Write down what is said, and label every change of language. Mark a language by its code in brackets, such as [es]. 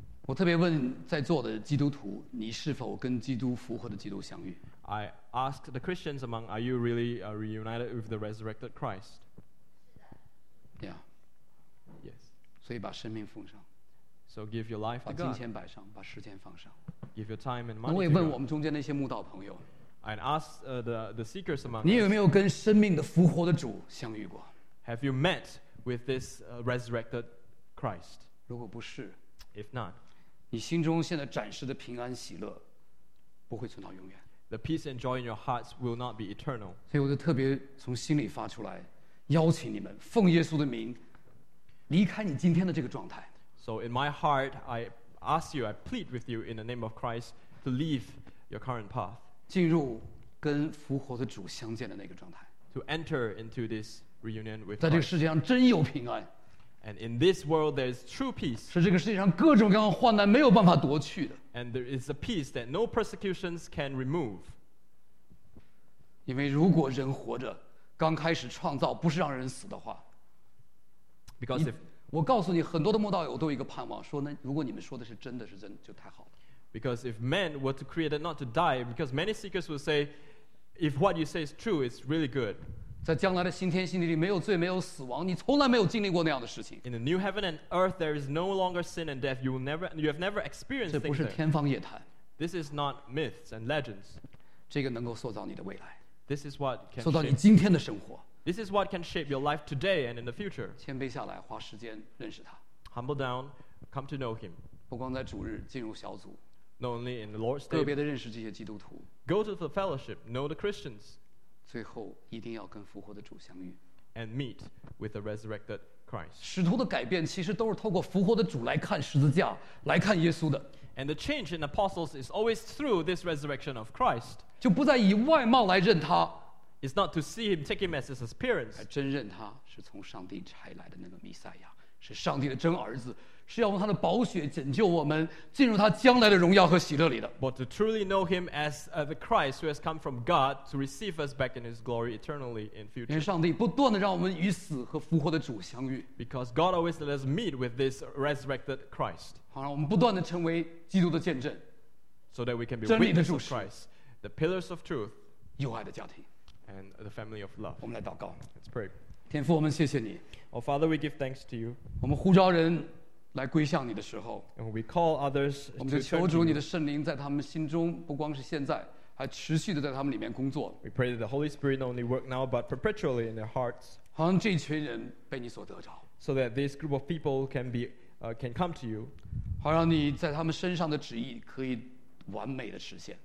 [zh] 我特别问在座的基督徒，你是否跟基督复活的基督相遇？ [en] I ask the Christians among, are you really reunited with the resurrected Christ? Yeah. Yes. [zh] 所以把生命奉上。 [en] So give your life to God. [zh] 把金钱摆上，把时间放上。 [en] Give your time and money. [zh] 我也问我们中间那些慕道朋友。 [en] And ask the seekers among. [zh] 你有没有跟生命的复活的主相遇过？ [en] Have you met with this resurrected Christ? [zh] 如果不是， [en] if not, [zh] 你心中现在暂时的平安喜乐不会存到永远。 [en] The peace and joy in your hearts will not be eternal. [zh] 所以我就特别从心里发出来，邀请你们奉耶稣的名，离开你今天的这个状态。 [en] So in my heart, I ask you, I plead with you in the name of Christ to leave your current path. [zh] 进入跟复活的主相见的那个状态。 [en] To enter into this reunion with Christ. [zh] 在这个世界上真有平安。 [en] And in this world, there is true peace. [zh] 是这个世界上各种各样的患难没有办法夺去的。 [en] And there is a peace that no persecutions can remove. [zh] 因为如果人活着，刚开始创造不是让人死的话。 [en] Because if [zh] 我告诉你，很多的慕道友都有一个盼望，说那如果你们说的是真的是真，就太好了。 [en] Because if men were to create not to die, because many seekers will say, if what you say is true, it's really good. [zh] 在将来的新天新地里，没有罪，没有死亡，你从来没有经历过那样的事情。 [en] In the new heaven and earth, there is no longer sin and death. You have never experienced. [zh] 这不是天方夜谭。 [en] This is not myths and legends. [zh] 这个能够塑造你的未来。 [en] This is what can [zh] 塑造你今天的生活。 [en] This is what can shape your life today and in the future. [zh] 谦卑下来，花时间认识他。 [en] Humble down, come to know him. [zh] 不光在主日进入小组。 [en] Not only in the Lord's Day. [zh] 个别的认识这些基督徒。 [en] Go to the fellowship, know the Christians. [zh] 最后一定要跟复活的主相遇。 [en] And meet with the resurrected Christ. [zh] 使徒的改变其实都是透过复活的主来看十字架，来看耶稣的。 [en] And the change in apostles is always through this resurrection of Christ. [zh] 就不再以外貌来认他。 [en] It's not to see him, take him as his appearance. [zh] 还真认他是从上帝差来的那个弥赛亚，是上帝的真儿子，是要用他的宝血拯救我们，进入他将来的荣耀和喜乐里的。 [en] But to truly know him as the Christ who has come from God to receive us back in his glory eternally in future. [zh] 因为上帝不断的让我们与死和复活的主相遇。 [en] Because God always let us meet with this resurrected Christ. [zh] 好让我们不断的成为基督的见证。 [en] So that we can be witnesses of Christ, the pillars of truth, [zh] 有爱的家庭。 [en] And the family of love. [zh] 我们来祷告。 [en] Let's pray. [zh] 天父，我们谢谢你。 [en] Oh Father, we give thanks to you. [zh] 我们呼召人来归向你的时候， [en] and when we call others, [zh] 我们就求主你的圣灵在他们心中，不光是现在，还持续的在他们里面工作。 [en] We pray that the Holy Spirit not only work now, but perpetually in their hearts. [zh] 好让这群人被你所得着。 [en] So that this group of people can come to you. [zh] 好让你在他们身上的旨意可以完美的实现。